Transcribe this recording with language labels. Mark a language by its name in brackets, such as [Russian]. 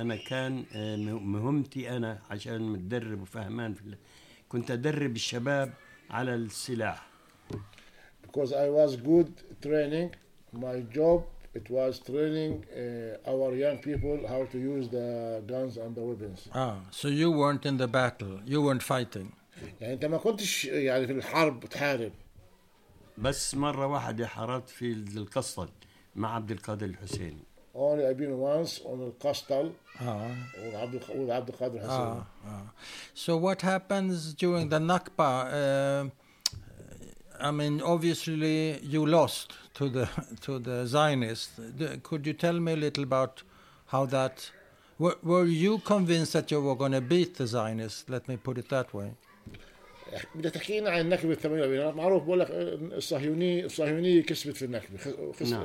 [Arabic] أنا كان مهمتي أنا عشان متدرب وفهمان في كنت أدرب الشباب على السلاح. [English] Because I was good training, my job it was training our young people how to use the guns and the weapons. So you weren't in the battle, you weren't fighting. [Arabic] يعني أنت ما كنتش يعني في الحرب تحارب. بس مرة واحد حاربت في القصل مع عبد القادر الحسيني. [English] Only I've been once on the Qastal. وعبد القادر الحسيني. So what happens during the Nakba? I mean, obviously you lost to the Zionists. Could you tell me a little about how that? Were you convinced that you were going to beat the Zionists? Let me put it that way. [Arabic] بدي تحكينا عن النكبة الثمانية وأربعين. معروف بقول لك الصهيونية كسبت في النكبة.